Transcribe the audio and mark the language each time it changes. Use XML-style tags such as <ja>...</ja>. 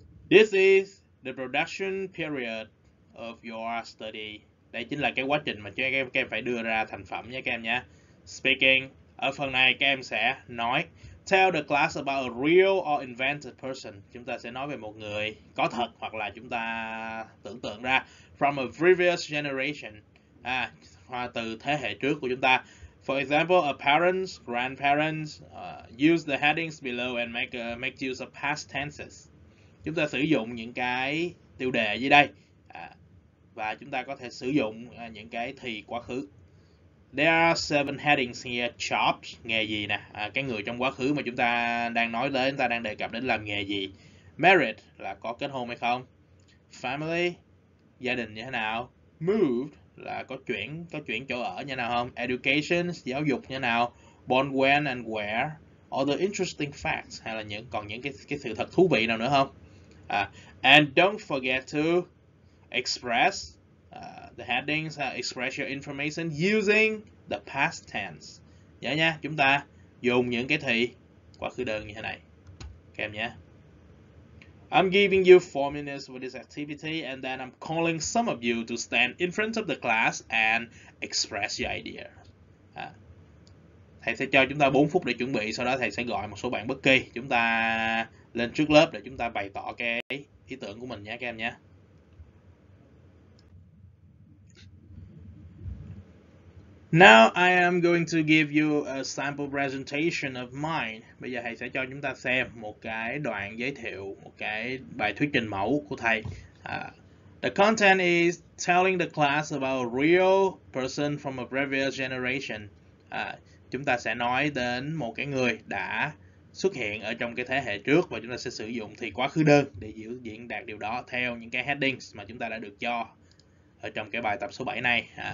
<en>This is the production period of your study.</en> <vi>Đây chính là cái quá trình mà các em phải đưa ra thành phẩm nha các em nha. Speaking. Ở phần này các em sẽ nói</vi> <en>tell the class about a real or invented person.</en> <vi>Chúng ta sẽ nói về một người có thật hoặc là chúng ta tưởng tượng ra</vi> <en>from a previous generation.</en> <vi>À, từ thế hệ trước của chúng ta.</vi> <en>For example, a parents, grandparents use the headings below and make use of past tenses.</en> <vi>Chúng ta sử dụng những cái tiêu đề dưới đây. Và chúng ta có thể sử dụng những cái thì quá khứ.</vi> <en>There are seven headings here.</en> <vi>Jobs, nghề gì nè. Cái người trong quá khứ mà chúng ta đang nói đến, chúng ta đang đề cập đến làm nghề gì. Married, là có kết hôn hay không. Family, gia đình như thế nào. Moved, là có chuyển chỗ ở như thế nào không. Education, giáo dục như thế nào.</vi> <en>Born when and where. All the interesting facts,</en> <vi>hay là những còn những cái sự thật thú vị nào nữa không.</vi> <en>And don't forget to express the headings, express your information using the past tense.</en> <vi>Nhớ nha, chúng ta dùng những cái thì quá khứ đơn như thế này. Các em nhé.</vi> <en>I'm giving you 4 minutes for this activity and then I'm calling some of you to stand in front of the class and express your idea.</en> <vi>Thầy sẽ cho chúng ta 4 phút để chuẩn bị, sau đó thầy sẽ gọi một số bạn bất kỳ chúng ta lên trước lớp để chúng ta bày tỏ cái ý tưởng của mình nhé các em nhé.</vi> <en>Now I am going to give you a sample presentation of mine.</en> <vi>Bây giờ thầy sẽ cho chúng ta xem một cái đoạn giới thiệu, một cái bài thuyết trình mẫu của thầy.</vi> <en>The content is telling the class about a real person from a previous generation.</en> <vi>Chúng ta sẽ nói đến một cái người đã xuất hiện ở trong cái thế hệ trước và chúng ta sẽ sử dụng thì quá khứ đơn để diễn diễn đạt điều đó theo những cái headings mà chúng ta đã được cho ở trong cái bài tập số 7 này.</vi>